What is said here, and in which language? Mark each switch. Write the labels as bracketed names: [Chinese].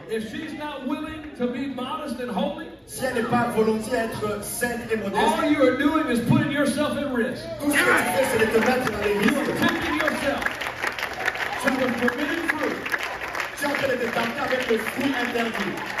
[English] If she's not willing to be modest and holy, [French] si elle n'est pas volontiers être sainte et modeste, [English] all you are doing is putting yourself at risk. [French] Tout ce que tu fais, c'est de te mettre dans les murs. [English] You're protecting yourself. [French] Tu es [English] forbidden fruit. [French] Tu es en train de te tenter avec le fruit interdit.